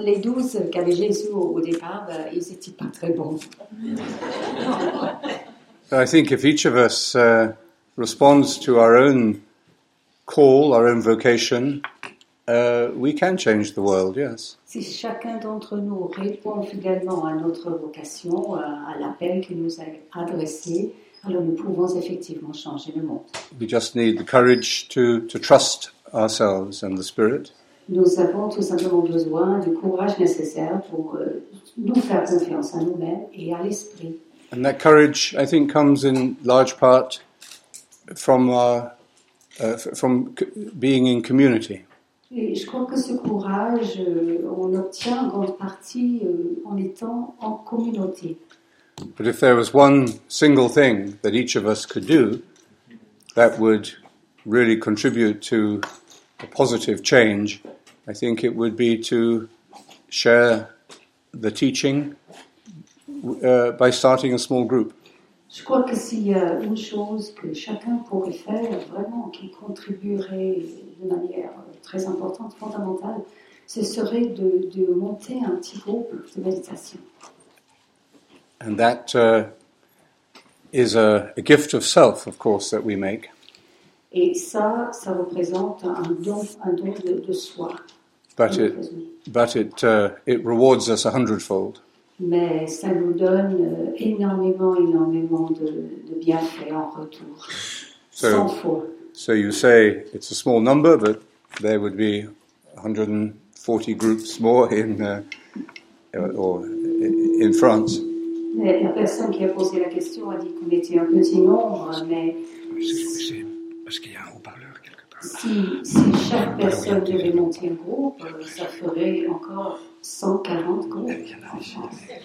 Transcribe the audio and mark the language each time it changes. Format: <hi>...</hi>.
<fr>Les 12 qu'avait Jésus au départ, ils n'étaient pas très bons.</fr> <en>So I think if each of us responds to our own call, our own vocation, we can change the world, yes.</en> <fr>Si chacun d'entre nous répond fidèlement à notre vocation, à l'appel qu'il nous a adressé, alors nous pouvons effectivement changer le monde.</fr> <en>We just need the courage to trust ourselves and the Spirit.</en> <fr>Nous avons tout simplement besoin du courage nécessaire pour nous faire confiance à nous-mêmes et à l'Esprit.</fr> <en>And that courage, I think, comes in large part from from being in community.</en> <fr>Et je crois que ce courage, on l'obtient en grande partie en étant en communauté.</fr> <en>But if there was one single thing that each of us could do that would really contribute to a positive change, I think it would be to share the teaching by starting a small group.</en> <fr>Je crois que s'il y a une chose que chacun pourrait faire, vraiment, qui contribuerait de manière très importante, fondamentale, ce serait de monter un petit groupe de méditation.</fr> <en>And that is a gift of self, of course, that we make.</en> <fr>Et ça représente un don de soi.</fr> <en>But it rewards us a hundredfold.</en> <fr>Mais ça nous donne énormément de bienfaits en retour.</fr> <en>So,</en> <fr>100 fois.</fr> <en>So you say it's a small number, but there would be 140 groups more in France.</en> <fr>La personne qui a posé la question a dit qu'on était un petit nombre, mais parce qu'il y a un haut-parleur quelque part. Si chaque personne devait monter un groupe, ça ferait encore 140 groupes. Il y en a en France.</fr>